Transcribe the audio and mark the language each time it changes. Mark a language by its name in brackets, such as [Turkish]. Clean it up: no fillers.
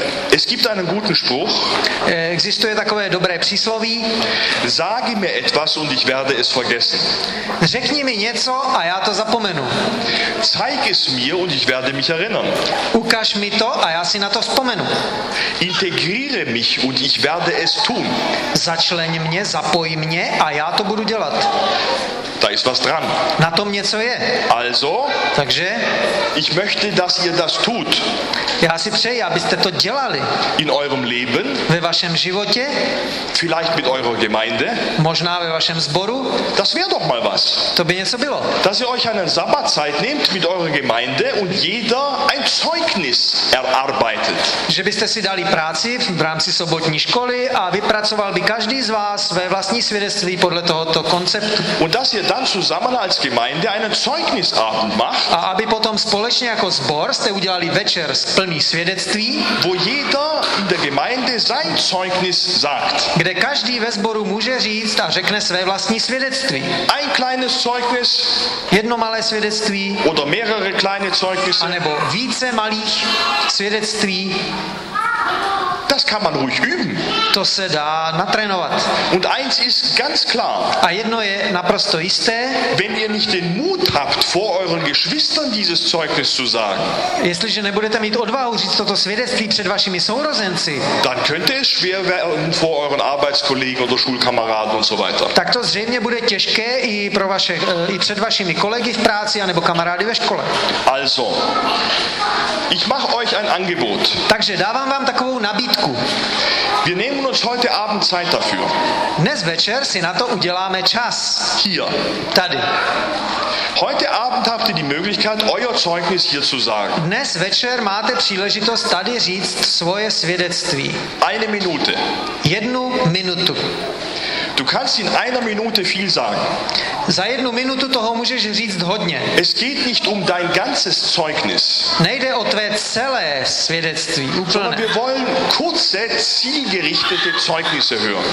[German] Es gibt einen guten Spruch. [Czech] Existuje takové dobré přísloví. [German] Sage mir etwas und ich werde es vergessen. [Czech] Řekni mi něco a já to zapomenu. [German] Zeig es mir und ich werde mich erinnern. [Czech] Ukaž mi to a já si na to vzpomenu. [German] Integriere mich und ich werde es tun. [Czech] Začleň mě, zapoj mě a já to budu dělat. [German] Da ist was dran. [Czech] Na tom něco je. [German] Also, [Czech] takže, [German] ich möchte, dass ihr das tut. [Czech] Já si přeji, abyste to dělali. [German] In eurem Leben. [Czech] Ve vašem životě. [German] Vielleicht mit eurer Gemeinde. [Czech] Možná ve vašem sboru. [German] Das wäre doch mal was. [Czech] To by něco bylo. [German] Dass ihr euch eine Sabbatzeit nehmt mit eurer Gemeinde und jeder ein Zeugnis erarbeitet. [Czech] Že byste si dali práci v rámci sobotní školy a vypracoval by každý z vás své vlastní svědectví podle tohoto konceptu. [German] Und dass ihr dann zusammen als Gemeinde einen Zeugnisabend macht. [Czech] A aby potom společně jako sbor jste udělali večer plný svědectví, [German] wo jeder in der Gemeinde sein Zeugnis sagt. [Czech] Kde každý ve sboru může říct a řekne své vlastní svědectví. [German] Ein kleines Zeugnis, [Czech] jedno malé svědectví, [German] oder mehrere kleine Zeugnisse, [Czech] anebo více malých svědectví. [German] Das kann man ruhig üben. [Czech] To se dá natrénovat. [German] Und eins ist ganz klar. [Czech] A jedno je naprosto jisté. [German] Wenn ihr nicht den Mut habt, vor euren Geschwistern dieses Zeugnis zu sagen. [Czech] Jestliže nebudete mít odvahu říct toto svědectví před vašimi sourozenci. [German] Dann könnte es schwer werden vor euren Arbeitskollegen oder Schulkameraden und so weiter. [Czech] Tak to zřejmě bude těžké i pro vaše i před vašimi kolegy v práci anebo kamarády ve škole. [German] Also. Ich mache euch ein Angebot. [Czech] Takže dávám vám takovou nabídku. [German] Wir nehmen uns heute Abend Zeit dafür. [Czech] Dnes večer si na to uděláme čas. [German] Hier. [Czech] Tady. [German] Heute Abend habt ihr die Möglichkeit, euer Zeugnis hier zu sagen. [Czech] Dnes večer máte příležitost tady říct svoje svědectví. [German] Eine Minute. [Czech] Jednu minutu. [German] Du kannst in einer Minute viel sagen. [Czech] Za jednu minutu toho můžeš říct hodně. [German] Es geht nicht um dein ganzes Zeugnis. [Czech] Nejde o tvé celé svědectví, úplně. [German] Wir wollen kurze, zielgerichtete Zeugnisse hören.